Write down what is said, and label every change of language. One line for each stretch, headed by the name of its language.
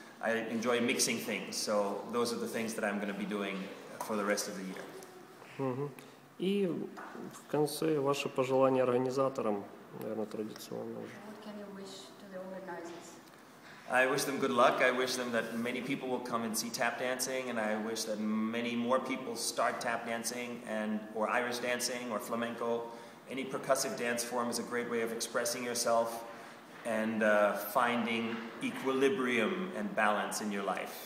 English: I enjoy mixing things, so those are the things that I'm going to be doing for the rest of the year.
Russian: И в конце ваше пожелание организаторам, наверное, традиционно.
English: What can you wish to the organizers? I wish them good luck. I wish them that many people will come and see tap dancing, and I wish that many more people start tap dancing and or Irish dancing or flamenco. Any percussive dance form is a great way of expressing yourself and finding equilibrium and balance in your life.